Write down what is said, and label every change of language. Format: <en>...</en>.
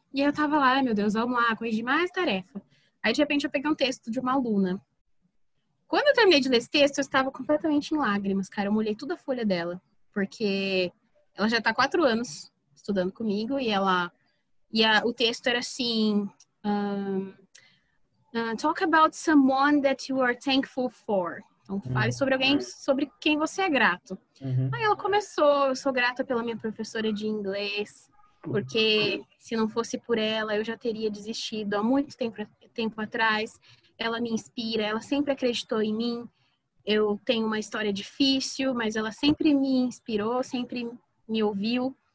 <pt>E aí eu tava lá, ai, meu Deus, vamos lá, corrigir mais tarefa. Aí, de repente, eu peguei um texto de uma aluna. Quando eu terminei de ler esse texto, eu estava completamente em lágrimas, cara. Eu molhei toda a folha dela, porque ela já está 4 anos estudando comigo e ela... o texto era assim...</pt> <en>talk about someone that you are thankful for.</en> <pt>Então, fale sobre alguém, sobre quem você é grato. Uhum. Aí ela começou, eu sou grata pela minha professora de inglês, porque se não fosse por ela, eu já teria desistido há muito tempo atrás. Ela me inspira, ela sempre acreditou em mim. Eu tenho uma história difícil, mas ela sempre me inspirou, sempre me ouviu.</pt>